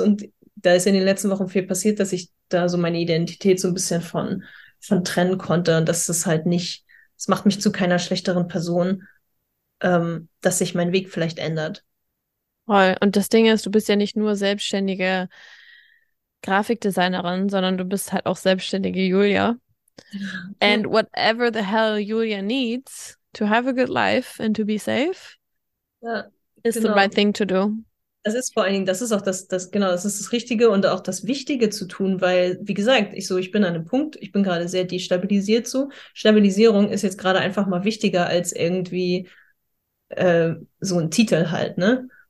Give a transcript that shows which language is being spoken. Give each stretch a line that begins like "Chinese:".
German: Und da ist in den letzten Wochen viel passiert, dass ich da so meine Identität so ein bisschen von trennen konnte. Und das ist halt nicht, es macht mich zu keiner schlechteren Person. dass sich mein Weg vielleicht ändert. Voll. Und das Ding ist, du bist ja nicht nur selbstständige Grafikdesignerin, sondern du bist halt auch selbstständige Julia. Ja.
English: And whatever the hell Julia needs to have a good life and to be safe
German: Ja,
English: is the right
German: genau.
English: thing to do.
German: Das ist vor allen Dingen, das ist auch genau, das ist das Richtige und auch das Wichtige zu tun, weil, wie gesagt, ich bin an einem Punkt, ich bin gerade sehr destabilisiert so. Stabilisierung ist jetzt gerade einfach mal wichtiger als irgendwie so ein Titel halt, ne?